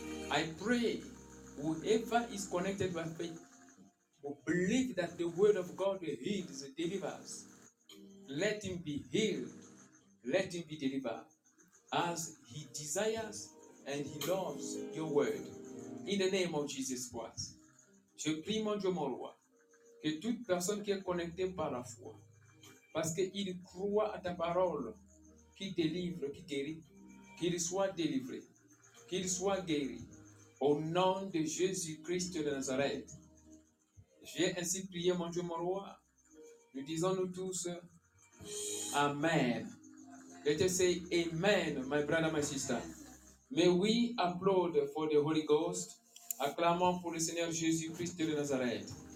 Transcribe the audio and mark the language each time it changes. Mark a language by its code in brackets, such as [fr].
[en] I pray whoever is connected by faith will believe that the word of God heals, delivers. Let him be healed. Let him be delivered as he desires and he loves your word. In the name of Jesus Christ. [fr] Je prie, mon Dieu, mon roi, que toute personne qui est connectée par la foi, parce qu'il croit à ta parole, qu'il délivre, qu'il guérit, qu'il soit délivré, qu'il soit guéri, au nom de Jésus-Christ de Nazareth. J'ai ainsi prié, mon Dieu, mon roi, Nous disons nous tous Amen. [en] Let us say Amen, my brother, my sister. May we applaud for the Holy Ghost. [fr] Acclamons pour le Seigneur Jésus-Christ de Nazareth.